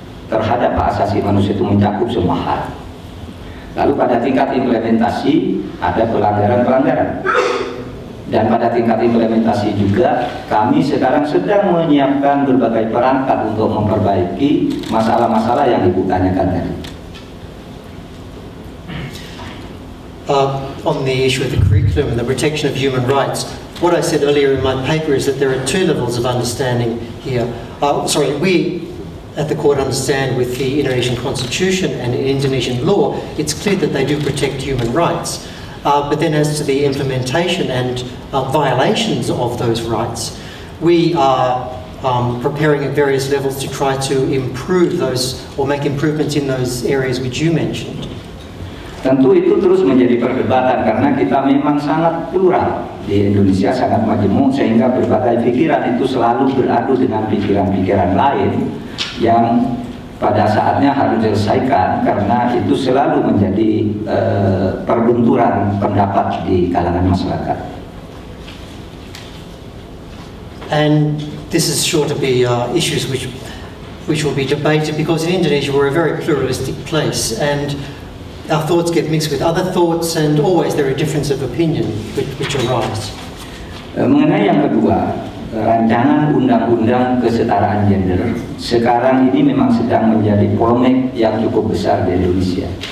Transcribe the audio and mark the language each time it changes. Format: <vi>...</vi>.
<id>terhadap hak asasi manusia itu mencakup semua hal. Lalu pada tingkat implementasi ada pelanggaran-pelanggaran. Dan pada tingkat implementasi juga kami sekarang sedang menyiapkan berbagai perangkat untuk memperbaiki masalah-masalah yang Ibu tanyakan tadi.</id> <en>On the issue of the curriculum and the protection of human rights, what I said earlier in my paper is that there are two levels of understanding here. We at the court understand with the Indonesian constitution and Indonesian law, it's clear that they do protect human rights. But then as to the implementation and violations of those rights, we are preparing at various levels to try to improve those or make improvements in those areas which you mentioned.</en> <id>Tentu itu terus menjadi perdebatan karena kita memang sangat plural. Di Indonesia sangat majemuk sehingga berbagai pikiran itu selalu beradu dengan pikiran-pikiran lain yang pada saatnya harus diselesaikan karena itu selalu menjadi perbenturan pendapat di kalangan masyarakat.</id> <en>And this is sure to be issues which will be debated because in Indonesia we're a very pluralistic place and our thoughts get mixed with other thoughts and always there are differences of opinion which arise.</en> <id>Mengenai yang kedua, rancangan undang-undang kesetaraan gender sekarang ini memang sedang menjadi polemik yang cukup besar di Indonesia.</id>